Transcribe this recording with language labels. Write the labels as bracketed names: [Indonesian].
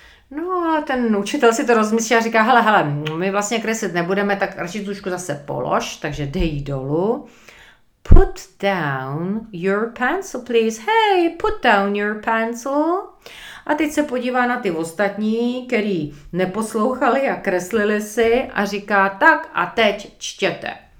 [Czech] No a ten učitel si to rozmyslí a říká, hele, my vlastně kreslit nebudeme, tak radši tušku zase polož, takže dej jí dolů. [English] Put down your pencil, please. Hey, put down your pencil. [Czech] A teď se podívá na ty ostatní, který neposlouchali a kreslili si a říká, tak a teď čtěte.